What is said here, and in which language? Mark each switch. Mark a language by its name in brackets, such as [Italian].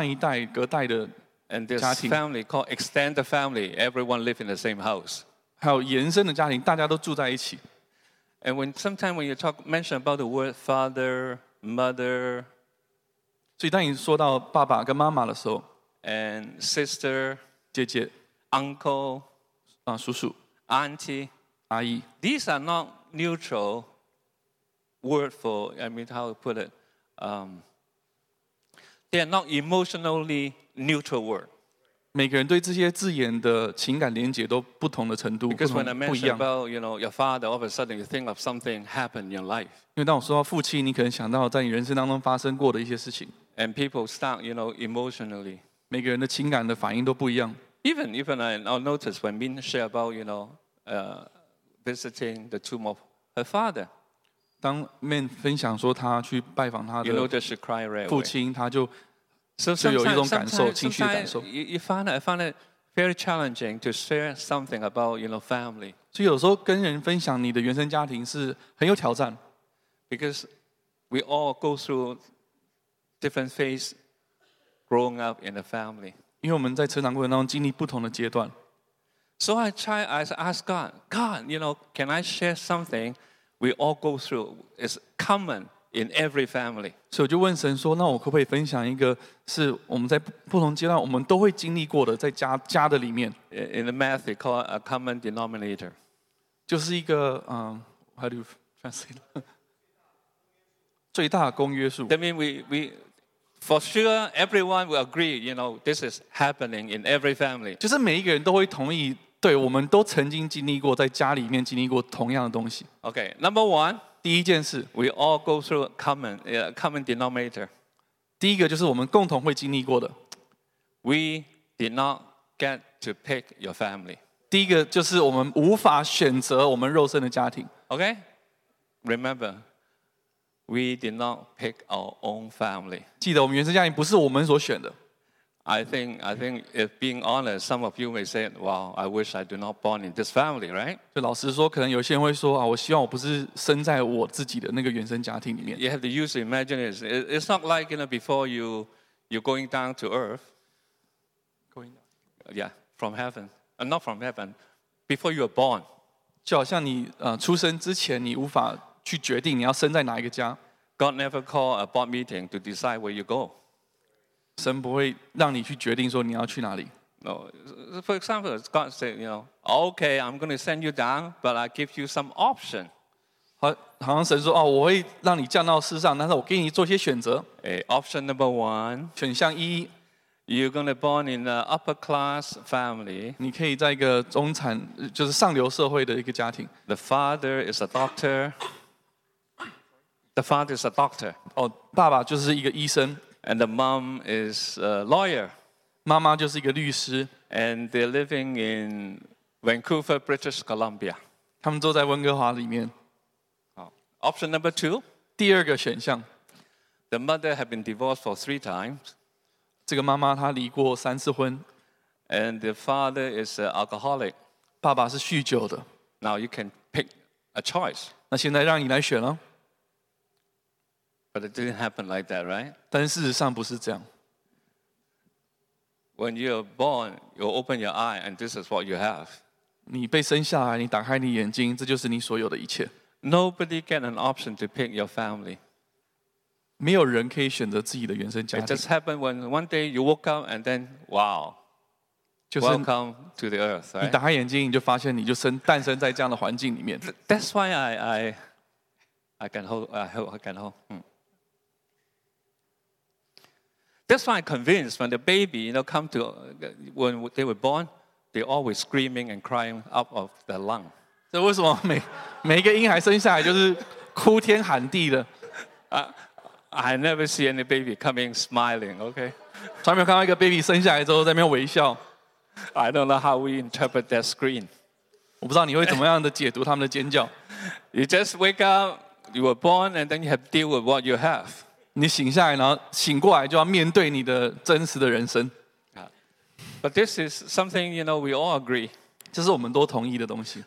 [Chinese] 有些是祖父母，就是上一代隔代的家庭。 [English] And there's family called extended family. Everyone live in the same house. [Chinese] 还有延伸的家庭，大家都住在一起。 [English] And sometimes when you mention about the word father, mother. [Chinese] 所以当你说到爸爸跟妈妈的时候, [English] and sister, [Chinese] 姐姐, [English] uncle, [Chinese] 叔叔, [English] auntie, [Chinese] 阿姨, [English] these are not neutral word for, I mean, how to put it, they are not emotionally neutral word. [Chinese] 每个人对这些字眼的情感连结都不同的程度, [English] because when I mention about you know, your father, all of a sudden you think of something happened in your life. [Chinese] 因为当我说到父亲, 你可能想到在你人生当中发生过的一些事情。 [English] And people start, you know, emotionally. [Chinese] 每个人的情感的反应都不一样. [English] Even I'll notice when Min share about, you know, visiting the tomb of her father. [Chinese] 当 Man 分享说他去拜访他的父亲，他就有一种感受，情绪的感受。 [English] I found it very challenging to share something about family. [Chinese] 所以有时候跟人分享你的原生家庭是很有挑战。 [English] Because we all go through different phases growing up in the family. [Chinese] 因为我们在成长过程当中经历不同的阶段。 [English] So I ask God, can I share something we all go through? It's common in every family. [Chinese] 所以我就问神说，那我可不可以分享一个是我们在不同阶段我们都会经历过的，在 家的里面。 [English] In the math, they call it a common denominator. [Chinese] 就是一个 [English] how do you translate? [Chinese] 最大公约数。 [English] That means we for sure everyone will agree, this is happening in every family. [Chinese] 就是每一个人都会同意，对，我们都曾经经历过，在家里面经历过同样的东西。 [English] Okay, number one, [Chinese] 第一件事 [English] ，we all go through common denominator. [Chinese] 第一个就是我们共同会经历过的。 [English] We did not get to pick your family. [Chinese] 第一个就是我们无法选择我们肉身的家庭。 [English] Okay, remember, we did not pick our own family. [Chinese] 记得我们原生家庭不是我们所选的。 [English] I think if being honest, some of you may say, "Wow, I wish I do not born in this family," right? [Chinese] 就老实说，可能有些人会说啊，我希望我不是生在我自己的那个原生家庭里面。 [English] You have to use the imagination. It's not like before you're going down to earth. Going down. Yeah, from heaven. Not from heaven. Before you are born. [Chinese] 就好像你出生之前，你无法去决定你要生在哪一个家。 [English] God never called a board meeting to decide where you go. [Chinese] 神不会让你去决定说你要去哪里。 [English] No, for example, God said, okay, I'm going to send you down, but I give you some option. [Chinese] 好像神说，哦，我会让你降到世上，但是我给你做些选择。 [English] Option number one, [Chinese] 选项一， [English] you're going to be born in an upper class family. [Chinese] 你可以在一个中产，就是上流社会的一个家庭。 [English] The father is a doctor. [Chinese] Oh, 爸爸就是一个医生。 [English] And the mom is a lawyer. [Chinese] 妈妈就是一个律师。 [English] And they're living in Vancouver, British Columbia. [Chinese] 他们都在温哥华里面。 [English] Option number two. [Chinese] 第二个选项。 [English] The mother has been divorced for 3 times. [Chinese] 这个妈妈她离过三次婚。 [English] And the father is an alcoholic. [Chinese] 爸爸是酗酒的。 [English] Now you can pick a choice. [Chinese] 那现在让你来选了。 [English] But it didn't happen like that, right? [Chinese] 但事实上不是这样。 [English] When you're born, you open your eye, and this is what you have. [Chinese] 你被生下来，你打开你眼睛，这就是你所有的一切。 [English] Nobody get an option to pick your family. [Chinese] 没有人可以选择自己的原生家庭。 [English] It just happened when one day you woke up, and then, wow, welcome to the earth. [Chinese] 你打开眼睛，你就发现你就诞生在这样的环境里面。 [English] That's why I can hold. That's why I'm convinced when the baby, when they were born, they're always screaming and crying out of the lung. [Chinese] 这为什么每一个婴孩生下来就是哭天喊地的？ [English] I never see any baby coming smiling, okay? [Chinese] 从来没有看到一个 baby 生下来之后在那边微笑。 [English] I don't know how we interpret that scream. [Chinese] 我不知道你会怎么样的解读他们的尖叫。 [English] You just wake up, you were born, and then you have to deal with what you have. [Chinese] 你醒下来，然后醒过来，就要面对你的真实的人生。 [English] But this is something we all agree. [Chinese] 这是我们都同意的东西。